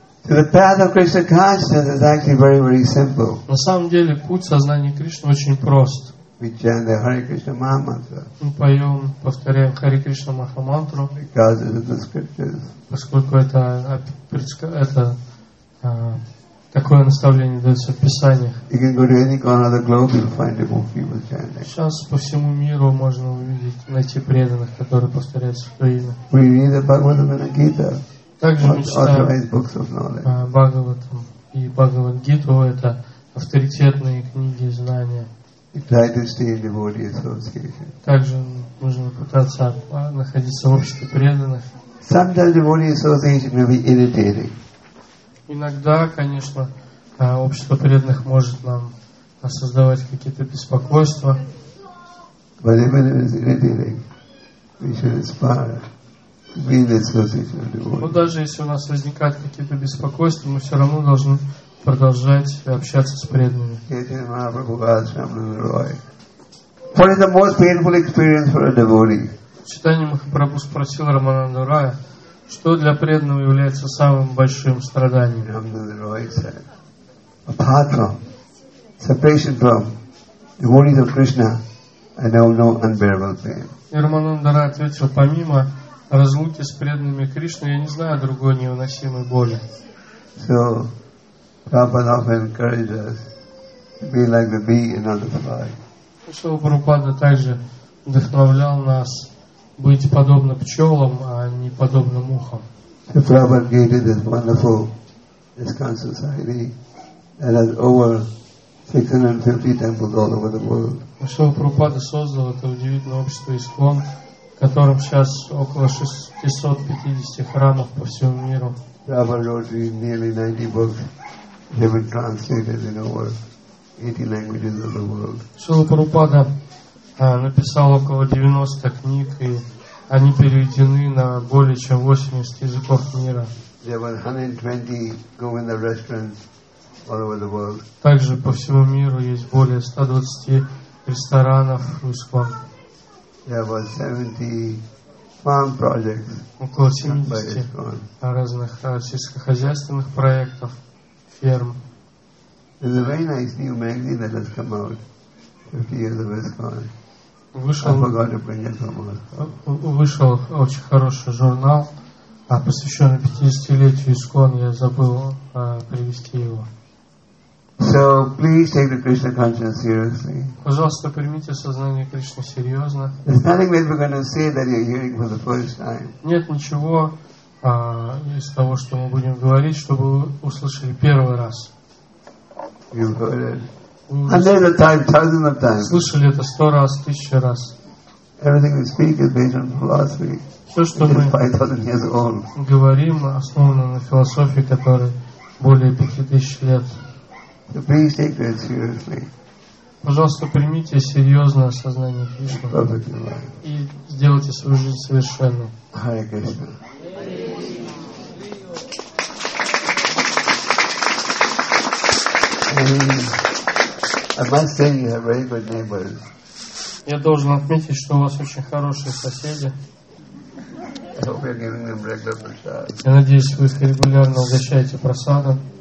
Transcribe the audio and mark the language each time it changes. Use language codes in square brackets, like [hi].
[ru] На самом деле, путь сознания Кришны очень прост. [en] We chant the Hare Krishna Mahamantra. [ru] Мы поем, повторяем Хари Кришна Махамантру. [en] Because it is the scriptures. [ru] Поскольку это такое наставление дается в Писаниях. [en] You can go to any corner of the globe, you'll find the most people chanting. [ru] Сейчас по всему миру можно увидеть, найти преданных, которые повторяют свое имя. [en] We read the Bhagavad Gita. [ru] Также [en] authorized books of knowledge. [ru] Бхагаватам и Бхагавад Гиту — это авторитетные книги знания. [en] Try to stay in devotee association. [ru] Также нужно пытаться находиться в обществе преданных. [en] Sometimes devotee association may be irritating. [ru] Иногда, конечно, общество преданных может нам создавать какие-то беспокойства. [en] But even if it's irritating, we should aspire to be in the association of devotees. [ru] Но даже если у нас возникают какие-то беспокойства, мы все равно должны продолжать общаться с преданными. [en] What is the most painful experience for a devotee? [ru] Читание Махапрабху спросил Рамананду Роя, что для преданного является самым большим страданием. [en] Рамананду Рой said, apart from separation from devotees of Krishna, I know no unbearable pain. [ru] И Рамананду Рой ответил: помимо разлуки с преданными Кришны, я не знаю другой невыносимой боли. [en] So Prabhupada often encouraged us to be like the bee in another fly. [ru] Шрила Прабхупада также вдохновлял нас быть подобно пчелам, а не подобно мухам. [en] So Prabhupada created this wonderful ISKCON society that has over 650 temples all over the world. [ru] Шрила Прабхупада создал это удивительное общество ИСККОН, в котором сейчас около 650 храмов по всему миру. [en] Prabhupada wrote nearly 90 books. They were translated in over 80 languages of the world. [ru] Шрила Прабхупада написал около 90 книг, и они переведены на более чем 80 языков мира. [en] There were 120 Govinda restaurants all over the world. [ru] Также по всему миру есть более 120 ресторанов в ИСККОН. [en] There were 70 farm projects. [ru] Около 70 разных сельскохозяйственных проектов. [en] There's a very nice new magazine that has come out. 50 years of ISKCON. [ru] Вышел, [en] I forgot to bring it from us. [ru] Вышел очень хороший журнал, посвященный 50-летию ISKCON. Я забыл привезти его. [en] So please take the Krishna consciousness seriously. [ru] Пожалуйста, примите сознание Кришны серьезно. [en] There's nothing that we're going to say that you're hearing for the first time. [ru] Нет ничего из того, что мы будем говорить, чтобы вы услышали первый раз. Слышали это 100 раз, 1000 раз. [en] Everything we speak is based on philosophy. [ru] Все, что мы [en] 5,000 years old. [ru] Говорим, основано на философии, которая более 5000 лет. [en] So please take it seriously. [ru] Пожалуйста, примите серьезное осознание Кришны и сделайте свою жизнь совершенной. [en] Hare Krishna. I must say you have very good neighbors. [ru] Я должен отметить, что у вас очень хорошие соседи. Я надеюсь, вы их регулярно угощаете просадом.